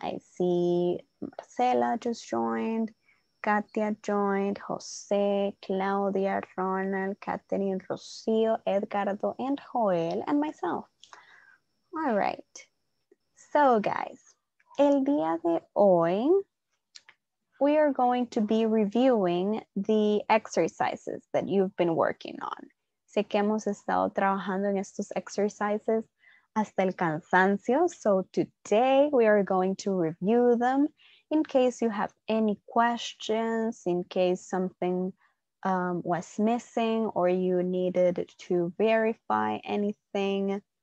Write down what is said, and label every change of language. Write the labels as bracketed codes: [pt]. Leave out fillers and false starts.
[en] I see Marcela just joined, Katia joined, Jose, Claudia, Ronald, Catherine, Rocio, Edgardo, and Joel, and myself. All right. So, guys, [es] el día de hoy, [en] we are going to be reviewing the exercises that you've been working on. [es] Sé que hemos estado trabajando en estos exercises hasta el cansancio. [en] So, today we are going to review them. In case you have any questions, in case something was missing or you needed to verify anything.